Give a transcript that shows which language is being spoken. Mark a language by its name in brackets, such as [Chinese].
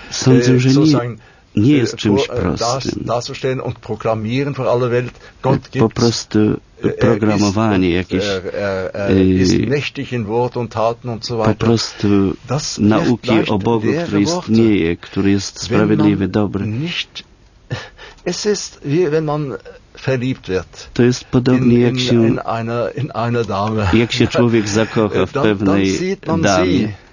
[Polish] sądzę, że nie jest czymś prostym. [German] Darzustellen und proklamieren für alle Welt, Gott gibt's. [Polish] Po prostu programowanie jakieś, [German] mächtig in Wort und Taten und so weiter. [Polish] Po prostu nauki o Bogu, który istnieje, który jest sprawiedliwy, dobry. [German] Es ist wie wenn man verliebt wird. [Polish] To jest podobnie jak się [German] in einer Dame. [Polish] Jak się człowiek zakocha w pewnej damie.